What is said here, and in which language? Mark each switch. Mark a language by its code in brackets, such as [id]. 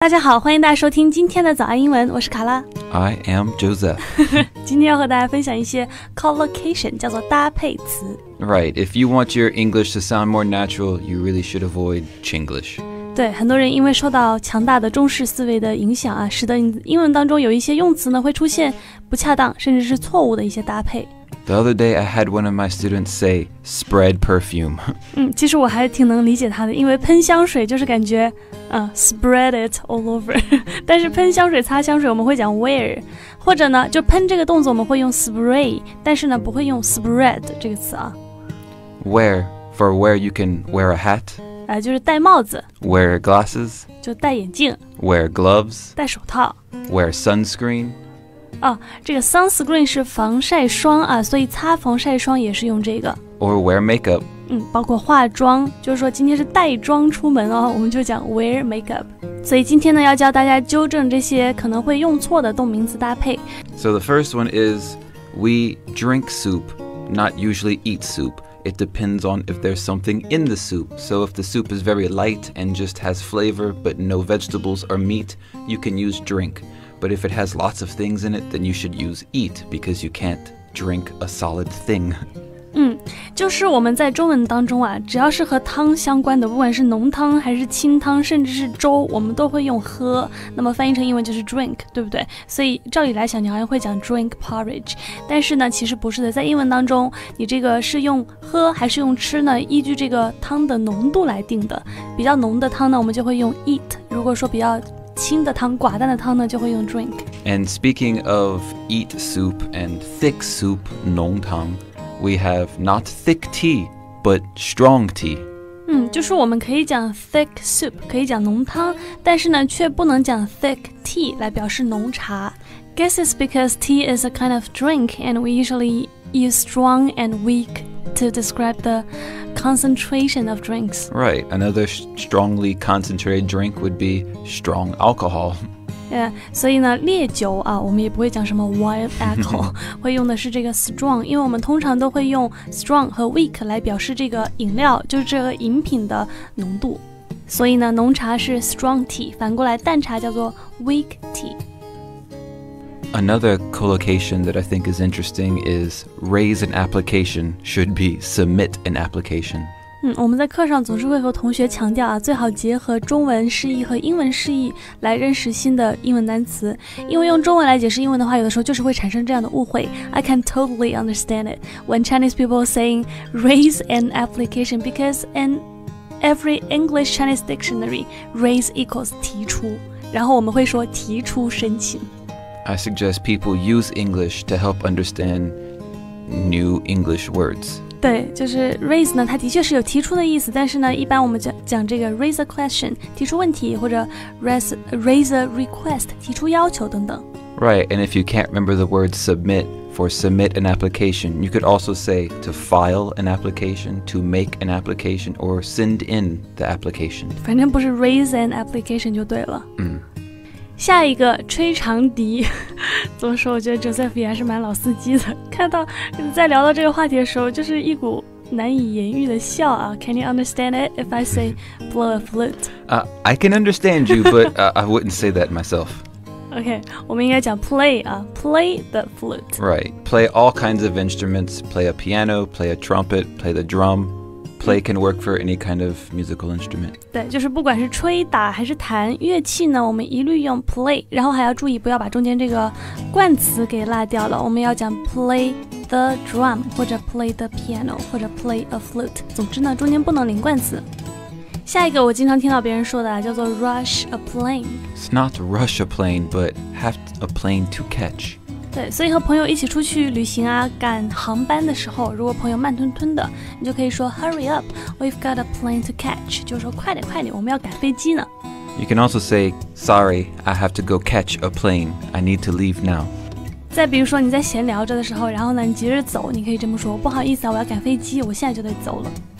[zh] 大家好，欢迎大家收听今天的早安英文，我是卡拉。 [en] I am Joseph. [zh] 今天要和大家分享一些 collocation, 叫做搭配词。 [en] Right, if you want your English to sound more natural, you really should avoid Chinglish. [zh] 对，很多人因为受到强大的中式思维的影响啊，使得英文当中有一些用词呢，会出现不恰当，甚至是错误的一些搭配。 [en] The other day, I had one of my students say, spread perfume. [zh] 其实我还挺能理解他的，因为喷香水就是感觉 [en] spread it all over. [zh] 但是喷香水擦香水我们会讲 wear, 或者呢就喷这个动作我们会用 spray, 但是呢不会用 spread 这个词啊。 [en] Wear, for where you can wear a hat. [zh] 就是戴帽子。 [en] Wear glasses. [zh] 就戴眼镜。 [en] Wear gloves. [zh] 戴手套。 [en] Wear sunscreen. [zh] 这个 sunscreen 是防晒霜啊，所以擦防晒霜也是用这个。 [en] Or wear makeup. [zh] 包括化妆，就是说今天是带妆出门哦，我们就讲 wear makeup. 所以今天呢，要教大家纠正这些可能会用错的动名词搭配。 [en] So the first one is, we drink soup, not usually eat soup. It depends on if there's something in the soup. So if the soup is very light and just has flavor but no vegetables or meat, you can use drink. But if it has lots of things in it, then you should use eat, because you can't drink a solid thing. [zh] 就是我们在中文当中啊，只要是和汤相关的，不管是浓汤还是清汤，甚至是粥，我们都会用喝。那么翻译成英文就是 drink, 对不对？所以照理来想，你好像会讲 [en] drink porridge, [zh] 但是呢，其实不是的。在英文当中，你这个是用喝还是用吃呢？依据这个汤的浓度来定的。比较浓的汤呢，我们就会用 eat。如果说比较清的汤，寡淡的汤呢，就会用 drink. [en] And speaking of eat soup and thick soup, 浓汤, we have not thick tea, but strong tea. [zh] 就是我们可以讲 thick soup, 可以讲浓汤，但是呢，却不能讲 thick tea 来表示浓茶. [en] Guess it's because tea is a kind of drink, and we usually use strong and weak to describe the concentration of drinks. Right, another strongly concentrated drink would be strong alcohol. [zh] Yeah, 所以呢烈酒啊我们也不会讲什么 wild alcohol, 会用的是这个 strong, 因为我们通常都会用 strong 和 weak 来表示这个饮料就是这个饮品的浓度。所以呢浓茶是 strong tea, 反过来淡茶叫做 weak tea. [en] Another collocation that I think is interesting is raise an application should be submit an application. [zh] 我们在课上总是会和同学强调啊，最好结合中文释义和英文释义来认识新的英文单词，因为用中文来解释英文的话，有的时候就是会产生这样的误会。 [en] I can totally understand it when Chinese people saying raise an application because in every English Chinese dictionary raise equals [zh] 提出，然后我们会说提出申请。 [en] I suggest people use English to help understand new English words. [zh] 对，就是 raise 呢，它的确是有提出的意思，但是呢，一般我们讲这个 [en] raise a question, [zh] 提出问题，或者 [en] raise a request, [zh] 提出要求等等。 [en] Right, and if you can't remember the word submit, for submit an application, you could also say to file an application, to make an application, or send in the application. [zh] 反正不是 [en] raise an application [zh] 就对了。下一个吹长笛，怎么说？我觉得 Joseph 也还是蛮老司机的。看到在聊到这个话题的时候，就是一股难以言喻的笑啊。 [en] Can you understand it if I say blow a flute? I can understand you, but I wouldn't say that myself. [zh] Okay, 我们应该讲 play 啊 ， [en] play the flute. Right, play all kinds of instruments. Play a piano, play a trumpet, play the drum. Play can work for any kind of musical instrument. [zh] 对，就是不管是吹打还是弹乐器呢，我们一律用 play. 然后还要注意不要把中间这个冠词给落掉了。我们要讲 [en] play the drum [zh] 或者 [en] play the piano [zh] 或者 [en] play a flute. [zh] 总之呢，中间不能连冠词。下一个我经常听到别人说的叫做 rush a plane. [en] It's not rush a plane, but have a plane to catch. [zh] 对，所以和朋友一起出去旅行啊，赶航班的时候，如果朋友慢吞吞的，你就可以说 [en] Hurry up, we've got a plane to catch. [zh] 就是说快点快点，我们要赶飞机呢。 [en] You can also say, Sorry, I have to go catch a plane. I need to leave now. [zh] 再比如说你在闲聊着的时候，然后呢你急着走，你可以这么说，不好意思啊，我要赶飞机，我现在就得走了。